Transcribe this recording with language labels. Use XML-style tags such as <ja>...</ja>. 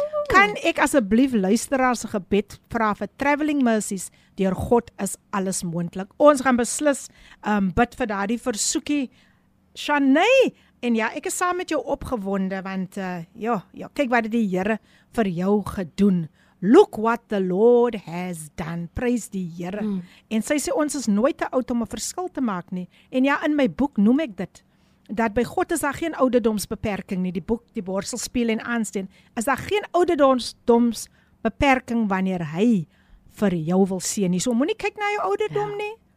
<af>Kan ek asseblief luisteraars 'n gebed vra vir</af> <en>traveling mercies?</en> <af>Deur God is alles moontlik. Ons gaan beslis bid vir daardie versoekie. Shanay, en ja, ek is saam met jou opgewonde, want ja, kyk wat die Here vir jou gedoen.</af> <en>Look what the Lord has done.</en> <af>Praise die Here. Mm. En sy sê ons is nooit te oud om 'n verskil te maak nie. En ja, in my boek noem ek dit. Dat by God is daar geen ouderdomsbeperking nie. Die boek, die borselspeel en aansteen. Is daar geen ouderdomsbeperking wanneer hy vir jou wil sien nie. So moenie kyk na jou ouderdom nie.</af>